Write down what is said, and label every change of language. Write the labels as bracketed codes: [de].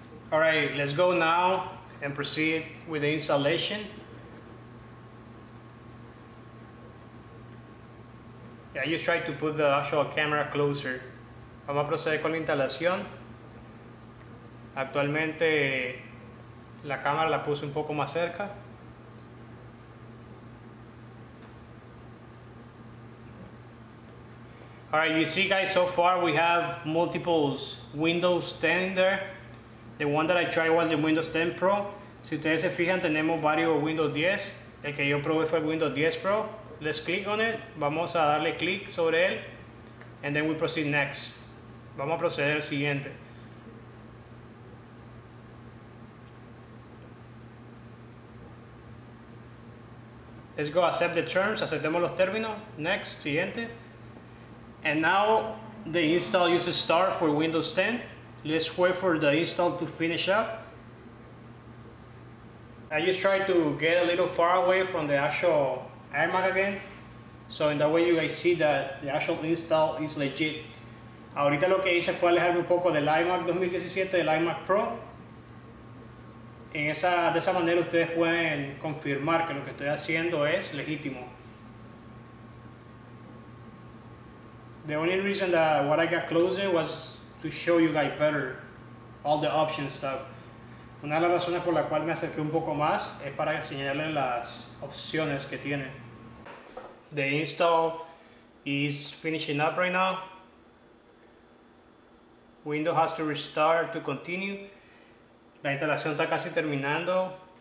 [en] All right, let's go now and proceed with the installation. Yeah, I just tried to put the actual camera closer. [es] Vamos a proceder con la instalación. Actualmente la cámara la puse un poco más cerca. [en] All right, you see guys, so far we have multiples Windows 10 there. The one that I tried was the Windows 10 Pro. [es] Si ustedes se fijan, tenemos varios Windows 10. El que yo probé fue el Windows 10 Pro. [en] Let's click on it. [es] Vamos a darle click sobre él. [en] And then we proceed next. [es] Vamos a proceder al siguiente. [en] Let's go accept the terms. [es] Aceptemos los términos. [en] Next, siguiente. And now the install uses start for Windows 10. Let's wait for the install to finish up. I just tried to get a little far away from the actual iMac again. So in that way you guys see that the actual install is legit. [es] Ahorita lo que hice fue alejarme un poco del iMac 2017, del iMac Pro. De esa manera ustedes pueden confirmar que lo que estoy haciendo es legítimo. [en] The only reason that what I got closer was to show you guys better all the options stuff. [es] Una de las razones por la cual me acerqué un poco más es para enseñarles las opciones que tiene. [en] The install is finishing up right now. Windows has to restart to continue. [es] La instalación está casi terminando.